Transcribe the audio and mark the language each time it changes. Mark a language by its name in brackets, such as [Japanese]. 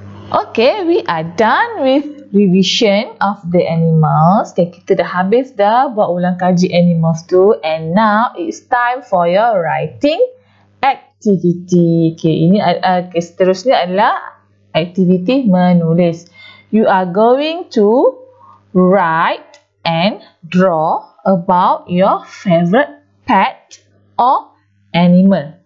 [English] Okay, we are done with revision of the animals. [Malay] Okay, kita dah habis dah buat ulang kaji animals tu. [English] And now it's time for your writing activity. [Malay] Okay, ini seterusnya adalah aktiviti menulis. [English] You are going to write and draw about your favorite pet or animal.